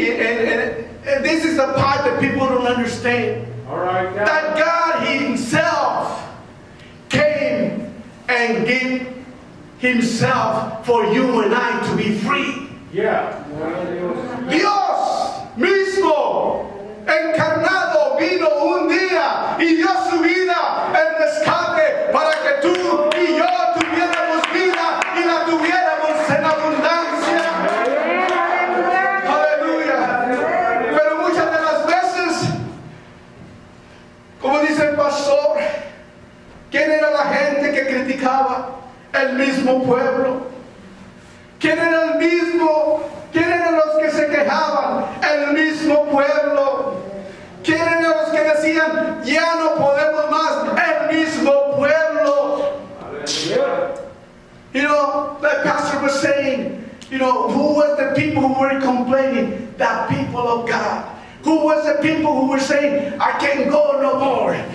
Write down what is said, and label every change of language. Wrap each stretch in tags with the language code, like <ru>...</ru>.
<en>And this is the part that people don't understand. All right, yeah. That God himself came and gave himself for you and I to be free. Yeah.</en> <es>Dios mismo encarnado vino un día y dio su vida en rescate para que tú y yo tuviéramos vida y la tuviéramos en abundancia. Aleluya. Pero muchas de las veces, como dice el pastor, ¿quién era la gente que criticaba? El mismo pueblo. ¿Quién era el mismo? ¿Quién eran los que se quejaban? El mismo pueblo. ¿Quién eran los que decían, ya no podemos más? El mismo pueblo. Aleluya.</es> <en>You know, the pastor was saying, you know, who was the people who were complaining? The people of God. Who was the people who were saying, I can't go no more?</en>